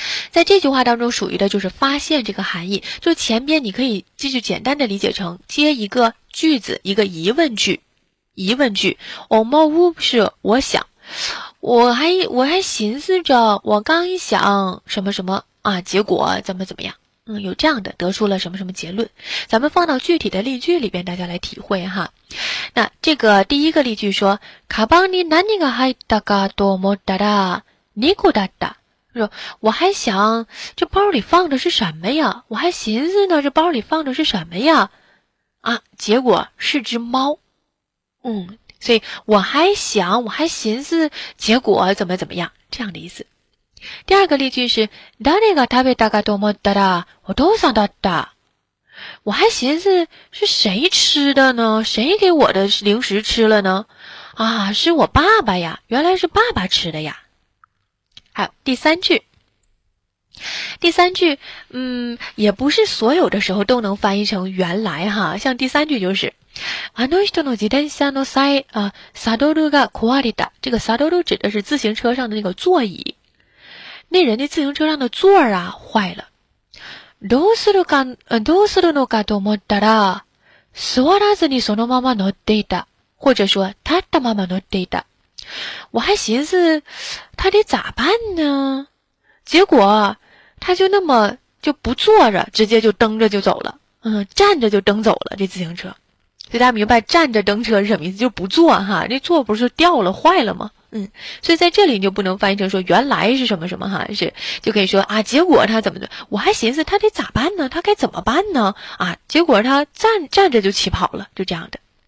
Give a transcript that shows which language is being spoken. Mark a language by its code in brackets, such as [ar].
[zh] 在这句话当中属于的就是发现这个含义，就前边你可以继续简单的理解成接一个句子，一个疑问句。疑问句，思う是我想，我还寻思着，我刚一想什么什么啊，结果怎么怎么样。有这样的得出了什么什么结论，咱们放到具体的例句里边大家来体会哈。那这个第一个例句说， [ja] カバンに何が入ったかと思ったら猫だった。 [zh] 说我还想这包里放的是什么呀，我还寻思呢这包里放的是什么呀，啊，结果是只猫。所以我还想我还寻思结果怎么怎么样，这样的意思。第二个例句是， [ja] 誰が食べたかと思ったら、お父さんだった。 [zh] 我还寻思是谁吃的呢？谁给我的零食吃了呢？啊，是我爸爸呀，原来是爸爸吃的呀。还有第三句，第三句，也不是所有的时候都能翻译成原来哈。像第三句就是， [ja] あの人の自転車のサドルが壊れた。 [zh] 这个サドル指的是自行车上的那个座椅。那人的自行车上的座儿啊坏了。 [ja] どうするのかと思ったら、座らずにそのまま乗っていた。 [zh] 或者说、 [ja] 立ったまま乗っていた。 [zh] 我还寻思、他得咋办呢？结果、他就那么、就不坐着，直接就蹬着就走了。站着就蹬走了，这自行车。所以大家明白站着蹬车是什么意思，就不坐哈，这座不是掉了坏了吗？所以在这里你就不能翻译成说原来是什么什么哈，是就可以说啊，结果他怎么的，我还寻思他得咋办呢，他该怎么办呢，啊，结果他站着就起跑了，就这样的。